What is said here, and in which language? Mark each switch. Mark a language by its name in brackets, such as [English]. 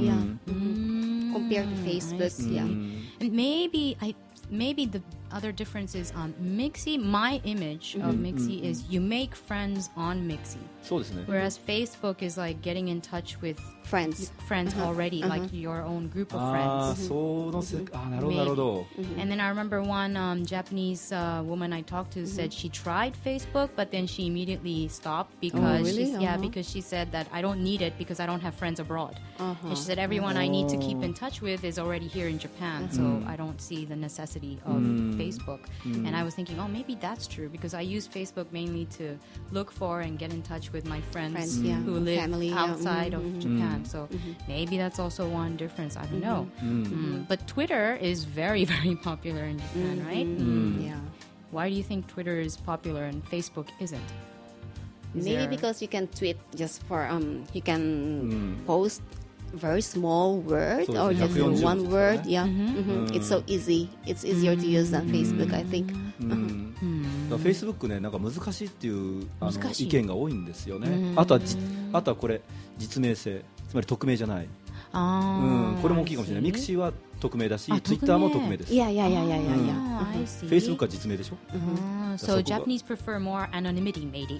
[English] Compared to Facebook, And maybe the other difference is Mixi, my image of Mixi is you make friends on Mixi. [Japanese] そうですね。 [English] Whereas Facebook is like getting in touch with friends already, like your own group of friends. [Japanese] ああ、そうのせ、ああ、なるほど、なるほど。 [English] And then I remember one Japanese woman I talked to said she tried Facebook, but then she immediately stopped because, because she said that I don't need it because I don't have friends abroad. And she said everyone I need to keep in touch with is already here in Japan, so I don't see the necessity of Facebook. And I was thinking, oh, maybe that's true because I use Facebook mainly to look for and get in touch with my friends who live outside of Japan. So maybe that's also one difference. I don't know. But Twitter is very, very popular in Japan, right? Yeah. Why do you think Twitter is popular and Facebook isn't? Because you can tweet just for, you can post very small words or just one word. Yeah. It's so easy. It's easier to use than Facebook, I think. [Japanese] Facebook ね、なんか難しいっていう意見が多いんですよね。あとはこれ実名性、つまり匿名じゃない。これも大きいかもしれない。 Mixi は匿名だし、Twitter も匿名です。いや。 Facebook は実名でしょ。 [English] So Japanese prefer more anonymity, maybe.